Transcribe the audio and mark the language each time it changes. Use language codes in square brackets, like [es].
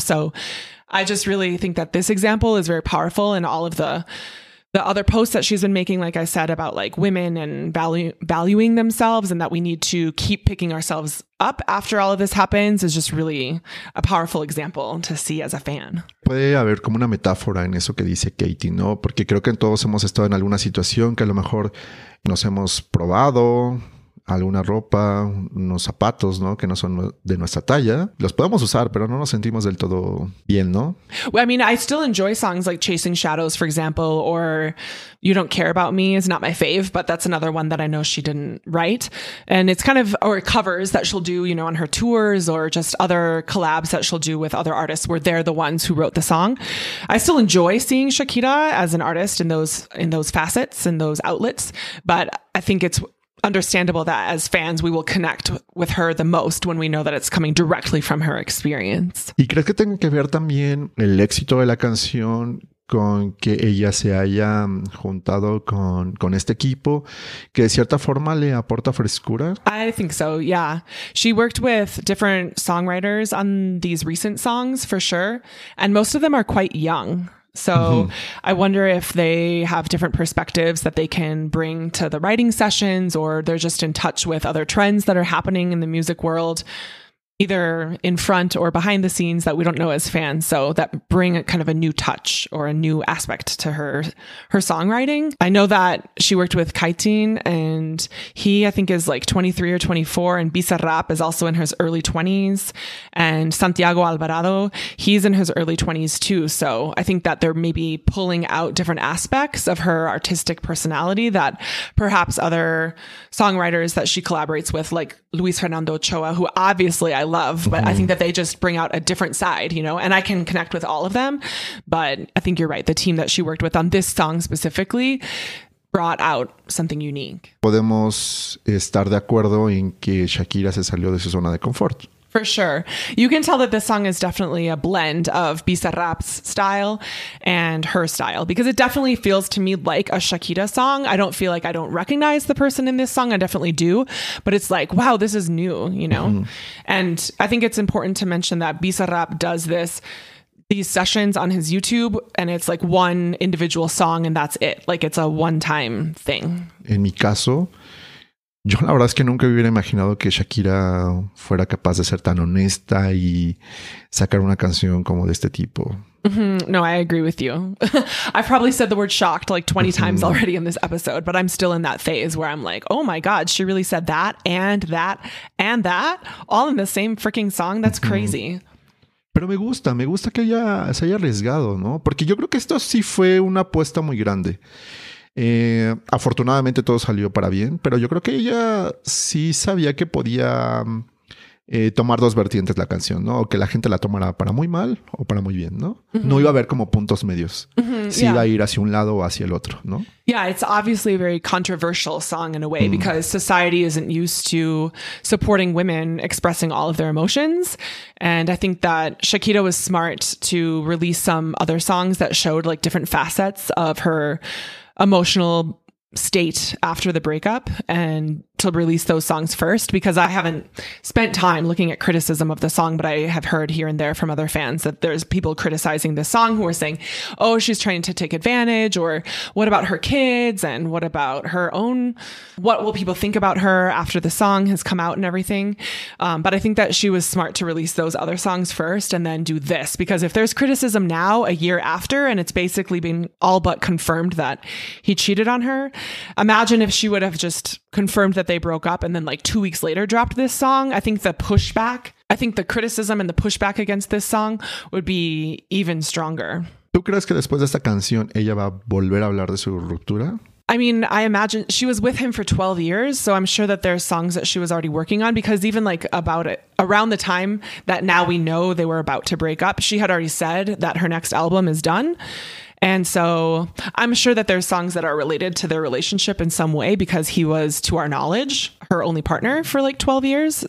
[en] So I just really think that this example is very powerful, and all of the other posts that she's been making, like I said, about like women and valuing themselves, and that we need to keep picking ourselves up after all of this happens, is just really a powerful example to see as a fan. [es] Puede haber como una metáfora en eso que dice Katie, ¿no? Porque creo que todos hemos estado en alguna situación que a lo mejor nos hemos probado, alguna ropa, unos zapatos, ¿no? Que no son de nuestra talla. Los podemos usar, pero no nos sentimos del todo bien, ¿no? [en] Well, I mean, I still enjoy songs like Chasing Shadows, for example, or You Don't Care About Me is not my fave, but that's another one that I know she didn't write. And it's kind of, or covers that she'll do, you know, on her tours or just other collabs that she'll do with other artists where they're the ones who wrote the song. I still enjoy seeing Shakira as an artist in those facets and those outlets, but I think it's understandable that as fans we will connect with her the most when we know that it's coming directly from her experience. [es] ¿Y crees que tenga que ver también el éxito de la canción con que ella se haya juntado con este equipo que de cierta forma le aporta frescura? [en] I think so, yeah. She worked with different songwriters on these recent songs for sure, and most of them are quite young. So mm-hmm. I wonder if they have different perspectives that they can bring to the writing sessions, or they're just in touch with other trends that are happening in the music world, either in front or behind the scenes that we don't know as fans. So that bring a kind of a new touch or a new aspect to her songwriting. I know that she worked with Kaitin, and he, I think, is like 23 or 24. And Bizarrap is also in his early 20s. And Santiago Alvarado, he's in his early 20s too. So I think that they're maybe pulling out different aspects of her artistic personality that perhaps other songwriters that she collaborates with, like Luis Fernando Ochoa, who obviously I love, but I think that they just bring out a different side, you know, and I can connect with all of them. But I think you're right. The team that she worked with on this song specifically brought out something unique. [es] Podemos estar de acuerdo en que Shakira se salió de su zona de confort. [en] For sure. You can tell that this song is definitely a blend of Bizarrap's style and her style, because it definitely feels to me like a Shakira song. I don't feel like I don't recognize the person in this song. I definitely do. But it's like, wow, this is new, you know? Mm-hmm. And I think it's important to mention that Bizarrap does these sessions on his YouTube, and it's like one individual song and that's it. Like, it's a one-time thing. [es] En mi caso, yo la verdad es que nunca hubiera imaginado que Shakira fuera capaz de ser tan honesta y sacar una canción como de este tipo. [en] Mm-hmm. No, I agree with you. I've probably said the word shocked like 20 times already in this episode, but I'm still in that phase where I'm like, oh my God, she really said that and that and that all in the same freaking song. That's crazy. [es] Pero me gusta que ella se haya arriesgado, ¿no? Porque yo creo que esto sí fue una apuesta muy grande. Afortunadamente todo salió para bien, pero yo creo que ella sí sabía que podía tomar dos vertientes la canción, ¿no? O que la gente la tomara para muy mal o para muy bien, ¿no? Mm-hmm. No iba a haber como puntos medios. Mm-hmm. Si iba a ir hacia un lado o hacia el otro, ¿no? [en] Yeah, it's obviously a very controversial song in a way because society isn't used to supporting women expressing all of their emotions. And I think that Shakira was smart to release some other songs that showed like different facets of her emotional state after the breakup, and to release those songs first, because I haven't spent time looking at criticism of the song, but I have heard here and there from other fans that there's people criticizing the song who are saying, oh, she's trying to take advantage, or what about her kids, and what about her own, what will people think about her after the song has come out and everything. But I think that she was smart to release those other songs first and then do this, because if there's criticism now a year after and it's basically been all but confirmed that he cheated on her, imagine if she would have just confirmed that they broke up and then like 2 weeks later dropped this song. I think the criticism and the pushback against this song would be even stronger. [es] ¿Tú crees que después de esta canción ella va a volver a hablar de su ruptura? [en] I mean, I imagine she was with him for 12 years, so I'm sure that there are songs that she was already working on, because even like about it, around the time that now we know they were about to break up, she had already said that her next album is done. And so I'm sure that there's songs that are related to their relationship in some way, because he was, to our knowledge, her only partner for like 12 years.